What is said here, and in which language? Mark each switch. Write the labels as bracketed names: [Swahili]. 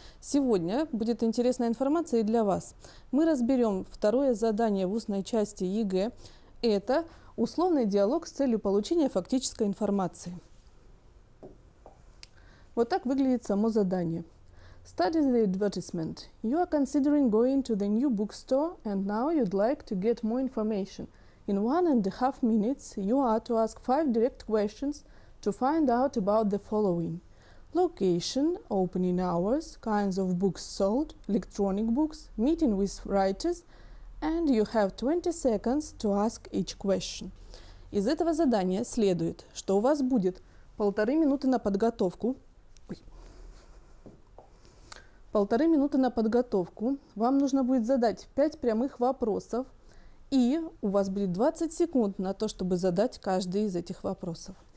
[Russian] Сегодня будет интересная информация и для вас. Мы разберем второе задание в устной части ЕГЭ. Это условный диалог с целью получения фактической информации. Вот так выглядит само задание. [English] Study the advertisement. You are considering going to the new bookstore and now you'd like to get more information. In 1.5 minutes, you are to ask 5 direct questions to find out about the following. Location, opening hours, kinds of books sold, electronic books, meeting with writers, and you have 20 seconds to ask each question. [Russian] Из этого задания следует, что у вас будет 1.5 минуты на подготовку. 1.5 минуты на подготовку. Вам нужно будет задать 5 прямых вопросов. И у вас будет 20 секунд на то, чтобы задать каждый из этих вопросов.